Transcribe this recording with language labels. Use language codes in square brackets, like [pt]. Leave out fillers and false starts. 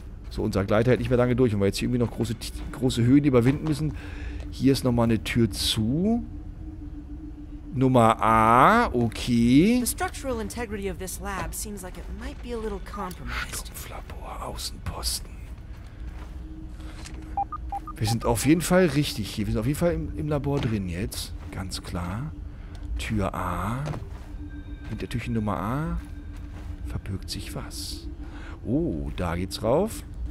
[de] So, unser Gleiter hält nicht mehr lange durch. Und wir jetzt hier irgendwie noch große Höhen überwinden müssen. Hier ist nochmal eine Tür zu. Nummer A, okay. [en] The structural integrity of this lab seems like it might be a little compromised. [de] Stumpflabor, Außenposten. Wir sind auf jeden Fall richtig hier. Wir sind auf jeden Fall im Labor drin jetzt. Ganz klar. Tür A. Hintertürchen Nummer A. Verbirgt sich was? Oh, da geht's rauf.